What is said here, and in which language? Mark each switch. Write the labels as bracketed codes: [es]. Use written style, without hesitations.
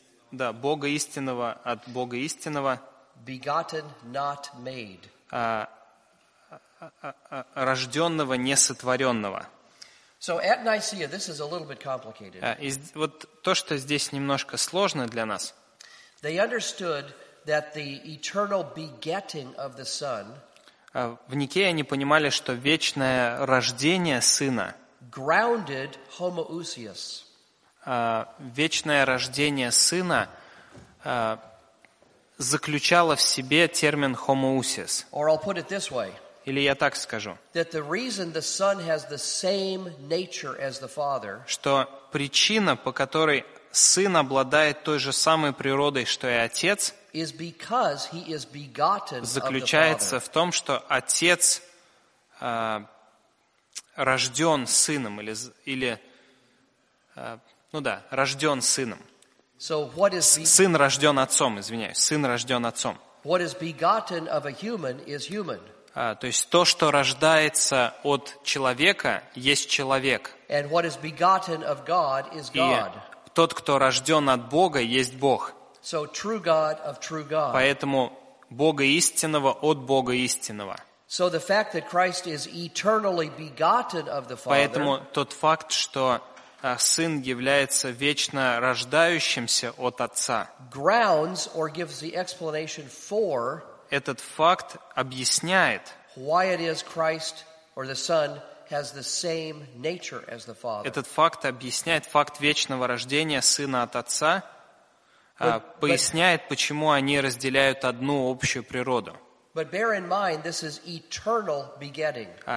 [ru] Да, Бога истинного от Бога истинного. [en] Begotten, not made. [ru] Рожденного, несотворенного. [en] So at Nicaea, this is a little bit complicated. [ru] Вот то, что здесь немножко сложно для нас. [en] They understood that the eternal begetting of the Son. [ru] В Никее они понимали, что вечное рождение Сына. [en] Grounded homoousios. [ru] Вечное рождение Сына. Заключало в себе термин homoousios. [en] Or I'll put it this way. [ru] Или я так скажу, что причина, по которой Сын обладает той же самой природой, что и Отец, заключается в том, что Отец рожден Сыном, рожден Сыном. Сын рожден Отцом, извиняюсь, Сын рожден Отцом. [en] What is begotten of a human is human. [ru] То есть то, что рождается от человека, есть человек. [en] And what is begotten of God is God. [ru] И тот, кто рожден от Бога, есть Бог. [en] So true God of true God. [ru] Поэтому Бога истинного от Бога истинного. [en] So the fact that Christ is eternally begotten of the Father. [ru] Поэтому тот факт, что Сын является вечно рождающимся от Отца. [en] Grounds or gives the explanation for. [ru] Этот факт объясняет, [en] why it is Christ or the Son has the same nature as the Father. [ru] Этот факт объясняет факт вечного рождения Сына от Отца, поясняет, почему они разделяют одну общую природу. [en] But bear in mind, this is eternal begetting.